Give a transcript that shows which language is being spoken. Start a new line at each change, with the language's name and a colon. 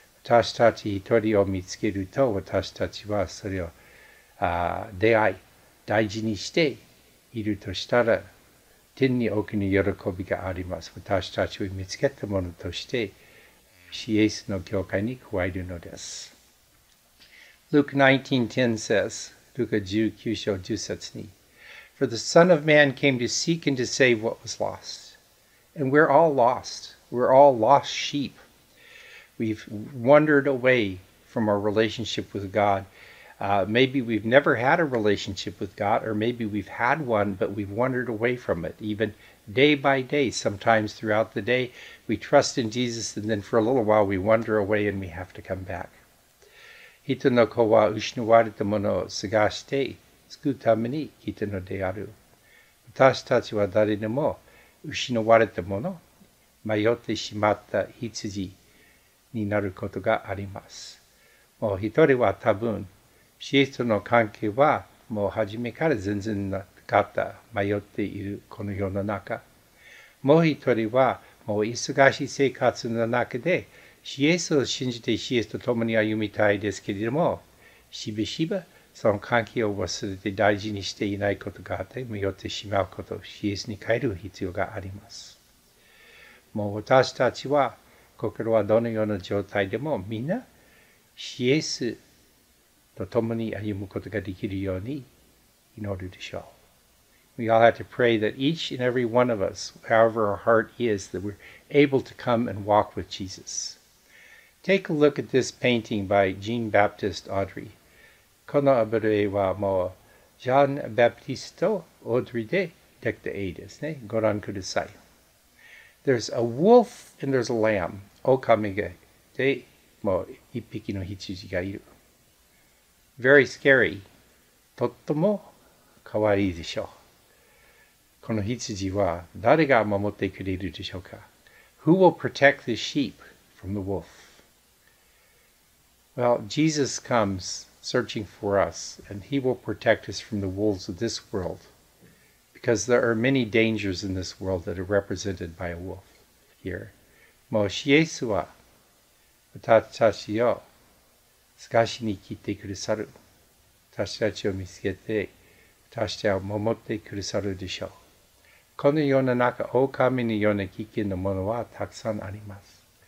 Japanese: 私たち一人を見つけると、私たちはそれを出会い、大事にしているとしたら、天に大きな喜びがあります。私たちを見つけたものとして、イエスの教会に加えるのです。
English: Luke 19:10 says, Luke
Japanese: 19章10節に、
English: For the Son of Man came to seek and to save what was lost. And we're all lost. We're all lost sheep. We've wandered away from our relationship with God. Maybe we've never had a relationship with God, or maybe we've had one, but we've wandered away from it. Even day by day, sometimes throughout the day, we trust in Jesus, and then for a little while we wander away and we have to come back.
Japanese: 人の子は失われたものを探して救うために来たのである。私たちは誰でも失われたもの、迷ってしまった羊になることがあります。もう一人は多分、死との関係はもう初めから全然なかった、迷っているこの世の中。もう一人はもう忙しい生活の中で、イエスを信じてイエスと共に歩みたいですけれども、しばしばその関係を忘れて大事にしていないことがあって、迷ってしまうこと、イエスに帰る必要があります。もう私たちは、心はどのような状態でも、みんなイエスと共に歩むことができるように祈るでしょう。
English: We all have to pray that each and every one of us, however our heart is, that we're able to come and walk with Jesus. Take a look at this painting by Jean Baptiste Audrey.
Japanese: この油絵はもう Jean Baptiste Audrey でできた絵ですね。ご覧ください。
English: There's a wolf and there's a lamb.
Japanese: 狼がいて、もう一匹の羊がいる。
English: Very scary.
Japanese: とっても可愛いでしょう。この羊は誰が守ってくれるでしょうか?
English: Who will protect the sheep from the wolf? Well, Jesus comes searching for us, and he will protect us from the wolves of this world, because there are many dangers in this world that are represented by a wolf here.
Japanese: もしイエスは私たちを探しに来てくださる。私たちを見つけて、私たちを守ってくださるでしょう。この世の中、狼のような危険なものはたくさんあります。